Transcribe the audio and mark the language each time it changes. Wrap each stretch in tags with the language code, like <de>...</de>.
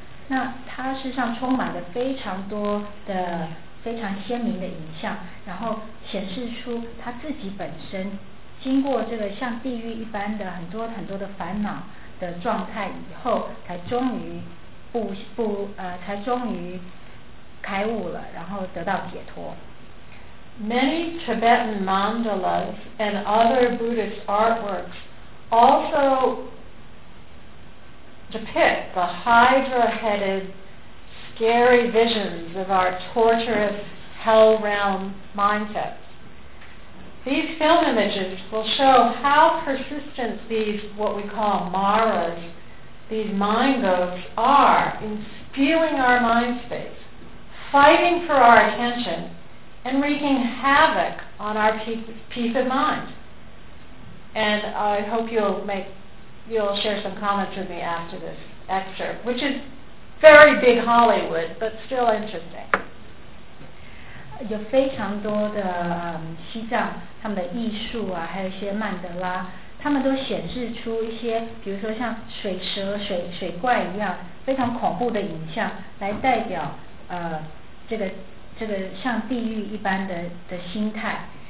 <zh>那他事实上充满了非常多的非常鲜明的影像，然后显示出他自己本身经过这个像地狱一般的很多很多的烦恼的状态以后，才终于开悟了，然后得到解脱。</zh> <en>Many Tibetan mandalas and other Buddhist artworks also depict the hydra-headed, scary visions of our torturous hell realm mindsets. These film images will show how persistent these, what we call maras, these mind ghosts are in stealing our mind space, fighting for our attention, and wreaking havoc on our peace of mind. And I hope you'll share some comments with me after this excerpt, which is very big Hollywood, but still interesting.</en> <zh>有非常多的西藏他们的艺术啊，还有一些曼德拉，他们都显示出一些比如说像水蛇、水怪一样非常恐怖的影像，来代表这个像地狱一般的心态。</zh>